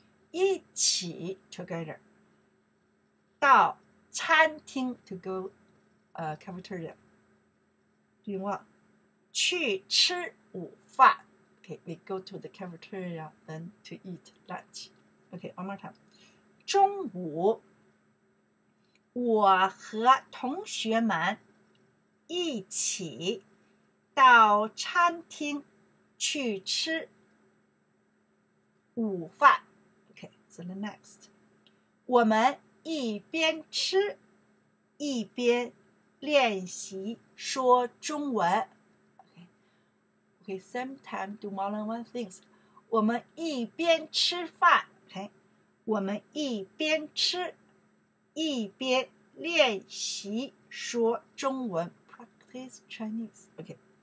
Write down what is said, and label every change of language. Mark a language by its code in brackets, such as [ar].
[zh] 一起 [en] together, [zh] 到餐厅 [en] to go cafeteria, do what? [zh] 去吃午饭 [en] Okay, we go to the cafeteria then to eat lunch. Okay, one more time. [zh] 中午，我和同学们一起到餐厅去吃午饭。 [en] Okay, so the next. [zh] 我们一边吃一边练习说中文。 [en] Okay, same time, do more than one things. [zh] 我们一边吃饭 okay, 我们一边吃一边练习说中文 [en] Practice Chinese. Okay.